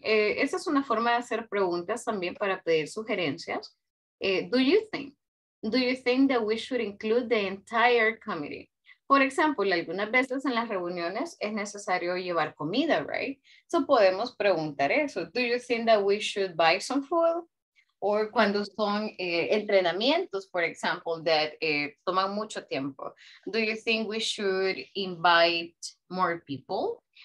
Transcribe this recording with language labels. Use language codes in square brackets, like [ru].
[es] Esa es una forma de hacer preguntas también para pedir sugerencias. [en] Do you think that we should include the entire committee? [es] Por ejemplo, algunas veces en las reuniones es necesario llevar comida, right? So, podemos preguntar eso. [en] Do you think that we should buy some food? Or [es] cuando son entrenamientos, [en] for example, that [es] toman mucho tiempo. [en] Do you think we should invite more people?